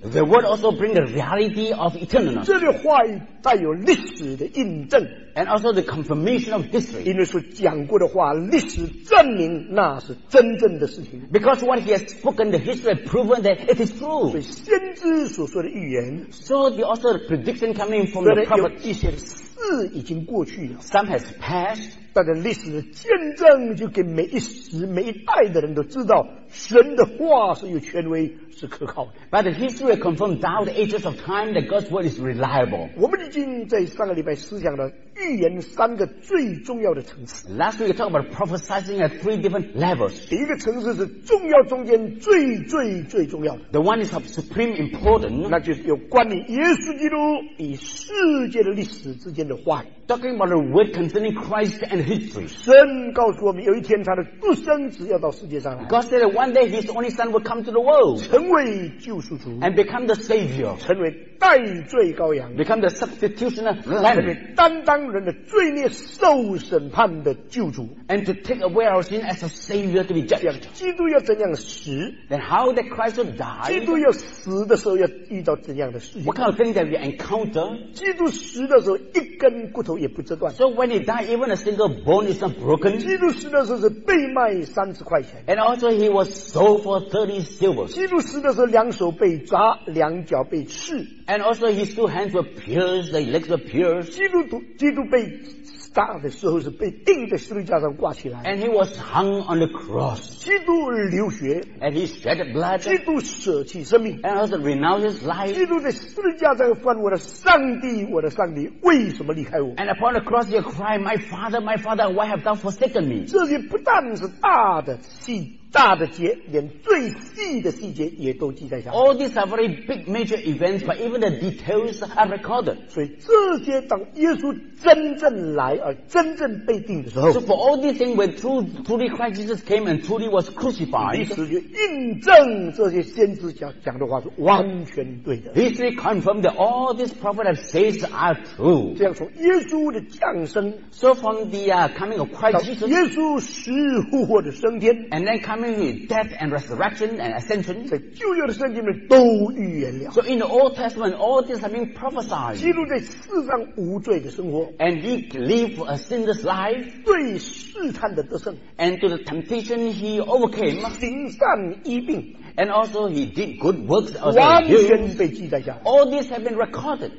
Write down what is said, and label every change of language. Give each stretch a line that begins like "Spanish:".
English: the word also bring the reality of eternity.
Chinese: 这句话带有历史的印证
English: and also the confirmation of history.
Chinese: 因为所讲过的话，历史证明那是真正的事情
English: because what he has spoken, the history has proven that it is true.
Chinese: 所以先知所说的预言
English: so the also the prediction coming from the prophet.
Chinese: 有一些事已经过去了
English: some has passed.
Chinese: 但是历史的见证就给每一时每一代的人都知道神的话是有权威是可靠的
English: But the history confirmed down the ages of time that God's word is reliable
Chinese: 我们已经在上个礼拜思想了预言三个最重要的层次
English: Last week we talked about prophesizing at three different levels
Chinese: 第一个层次是重要中间最最最重要的
English: The one is of supreme importance
Chinese: 那就是有关于耶稣基督与世界的历史之间的话语
English: talking about a word concerning Christ and history.
Chinese: 神告诉我们，有一天他的独生子要到世界上来。
English: God said that one day His only Son would come to the world.
Chinese: 成为救赎主。
English: And become the Savior.
Chinese: 成为代罪羔羊。
English: Become the substitutionary lamb.
Chinese: 成为担当人的罪孽受审判的救主。
English: And to take away our sin as a Savior to be judged.
Chinese: 基督要怎样死？
English: Then how that Christ would die?
Chinese: 基督要死的时候要遇到怎样的事情？
English: What kind of thing that we encounter?
Chinese: 基督死的时候一根骨头也不折断。
English: So when he died, even a single bone is not broken.
Chinese: 基督死的时候是被卖30块钱。
English: And also he was sold for 30 silvers.
Chinese: 基督死的时候两手被抓，两脚被刺。
English: And also his two hands were pierced, his legs were pierced.
Chinese: 基督被杀的时候是被钉在十字架上挂起来。
English: And he was hung on the cross.
Chinese: 基督流血。
English: And he shed blood.
Chinese: 基督舍弃生命。
English: And also renounced his life.
Chinese: 基督在十字架上翻，我的上帝，我的上帝，为什么离开我？
English: And upon the cross he cried, My Father, My Father, why have thou forsaken me?
Chinese: 这些不但是大的戏。大的节连最细的细节也都记在下面。
English: All these are very big major events, but even the details are recorded.
Chinese: 所以这些当耶稣真正来而真正被钉的时候
English: ，So for all these things, when truly Christ Jesus came and truly was crucified,
Chinese: 历史就印证这些先知讲的话是完全对的。
English: History confirmed that all these prophets have said are true.
Chinese: 这样从耶稣的降生
English: ，So from the coming of Christ Jesus,
Chinese: 耶稣死后的升天
English: ，and then coming with death and resurrection and ascension.
Chinese: 在旧约的圣经里面都预言了。
English: So in the Old Testament, all this has been prophesied.
Chinese: 基督在世上无罪的生活。
English: And he lived a sinless life.
Chinese: 对试探的得胜。
English: And to the temptation he overcame.
Chinese: 行善医病。
English: And also he did good works.
Chinese: 完全被记在下。
English: All this has been recorded.